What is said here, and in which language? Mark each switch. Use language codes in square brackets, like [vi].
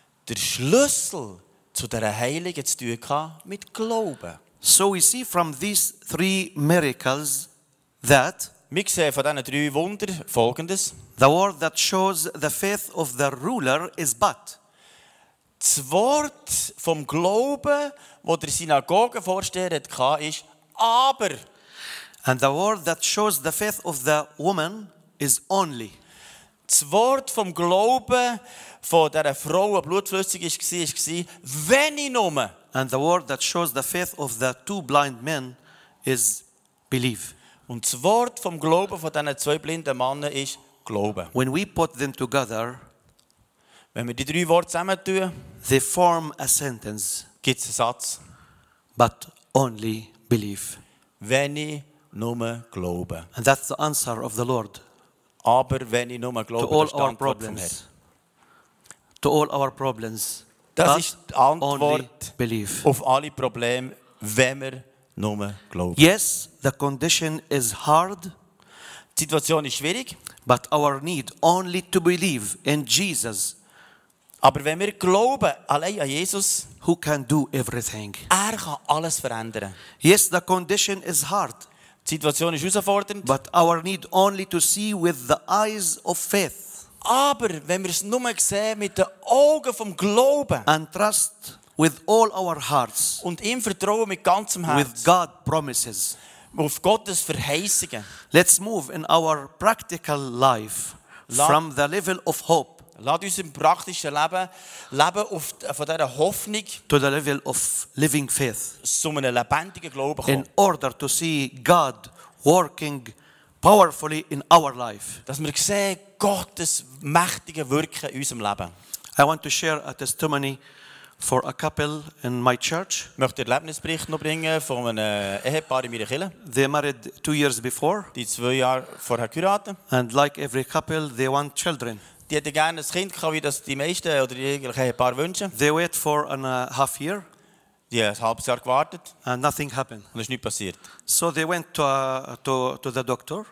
[de] Der Schlüssel zu dieser Heilung hat zu tun gehabt mit Glauben. [en] So we see from these three miracles that [de] wir sehen von diesen drei Wunder folgendes. [en] The word that shows the faith of the ruler is but. [de] Das Wort vom Glauben, wo der Synagoge vorstellt, ist aber. [en] And the word that shows the faith of the woman is only. [de] Das Wort vom Glauben von dieser Frau, die blutflüssig war, wenn ich nur. [en] And the word that shows the faith of the two blind men is believe. [de] Und das Wort vom Glauben von diesen zwei blinden Männern ist Glauben. [en] When we put them together, [de] wenn wir die drei Worte zusammen tun, [en] they form a sentence. [de] Gibt's einen Satz. [en] But only believe. [de] Wenn ich nur glaube. [en] And that's the answer of the Lord. [de] Aber wenn ich nur glaube, [en] to all our problems. To all our problems. [de] Das ist die Antwort auf alle Probleme, wenn wir nur glauben. [en] Yes, the condition is hard. [de] Die Situation ist schwierig. [en] But our need only to believe in Jesus. [de] Aber wenn wir glauben, allein an Jesus, [en] who can do everything. [de] Er kann alles verändern. [en] Yes, the condition is hard. [de] Die Situation ist herausfordernd. [en] But our need only to see with the eyes of faith. [de] Aber wenn wir es nur sehen mit den Augen vom Glauben [en] and trust with all our hearts, [de] und ihm vertrauen mit ganzem Herz, [en] with God promises, [de] auf Gottes Verheißungen, [en] let's move in our practical life from the level of hope. [de] Lass uns im praktischen Leben leben auf, von dieser Hoffnung [en] to the level of living faith, [de] zu einem lebendigen Glauben kommen. [en] In order to see God working powerfully in our life. [de] Dass wir sehen, Gottes mächtige Wirken in unserem Leben. [en] I want to share a testimony for a couple in my church. [de] Ich möchte einen Erlebnisbericht noch bringen von einem Ehepaar in meiner Kirche. [en] They married 2 years before. [de] Die 2 Jahre vorher geheiratet. [en] And like every couple, they want children. [de] Die hätten gerne ein Kind gehabt, wie das die meisten oder die eigentlich Ehepaar wünschen. [en] They wait for a half year. [de] Die haben ein halbes Jahr gewartet. [en] And nothing happened. [de] Und es ist nichts passiert. [en] So they went to the doctor.